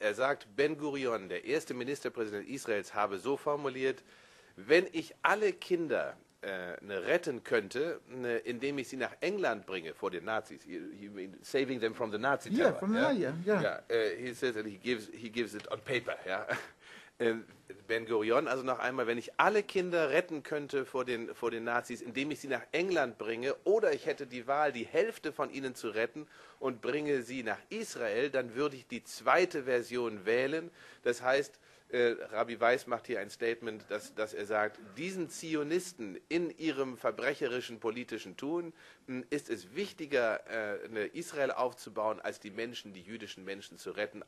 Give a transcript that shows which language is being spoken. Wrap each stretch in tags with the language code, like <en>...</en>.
<de>Er sagt, Ben-Gurion, der erste Ministerpräsident Israels, habe so formuliert, wenn ich alle Kinder retten könnte, indem ich sie nach England bringe vor den Nazis.</de> <en>You mean saving them from the Nazi terror? Yeah, from the Nazi, yeah. Yeah. He says that he gives it on paper, yeah.</en> <de>Ben-Gurion, also noch einmal, wenn ich alle Kinder retten könnte vor den Nazis, indem ich sie nach England bringe, oder ich hätte die Wahl, die Hälfte von ihnen zu retten und bringe sie nach Israel, dann würde ich die zweite Version wählen. Das heißt, Rabbi Weiss macht hier ein Statement, dass er sagt, diesen Zionisten in ihrem verbrecherischen politischen Tun ist es wichtiger, Israel aufzubauen, als die Menschen, die jüdischen Menschen zu retten.</de>